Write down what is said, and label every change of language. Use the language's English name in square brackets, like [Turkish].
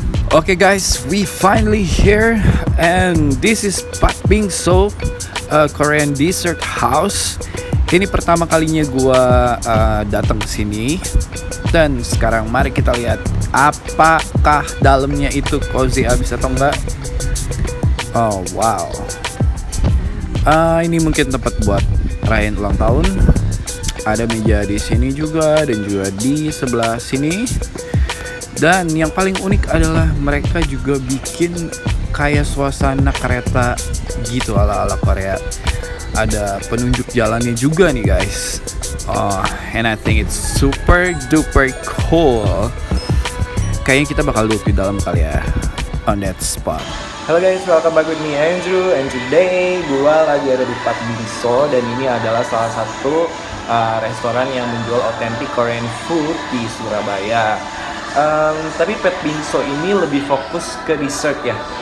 [English] Okay guys, we finally here, and this is Pak Bingso, Korean Dessert House. [Indonesian] Ini pertama kalinya gue datang ke sini, dan sekarang mari kita lihat apakah dalamnya itu cozy abis atau enggak. Oh wow, ini mungkin tempat buat rayain ulang tahun. Ada meja di sini juga, dan juga di sebelah sini. Dan yang paling unik adalah mereka juga bikin kayak suasana kereta gitu ala-ala Korea. Ada penunjuk jalannya juga nih guys. [English] Oh, and I think it's super duper cool. [Indonesian] Kayaknya kita bakal duduk di dalam kali ya, [English] on that spot. Halo guys, welcome back with me Andrew. And today [Indonesian] gue lagi ada di Pak Bingso, dan ini adalah salah satu restoran yang menjual [English] authentic Korean food [Indonesian] di Surabaya. Tapi Pak Bingso ini lebih fokus ke dessert ya.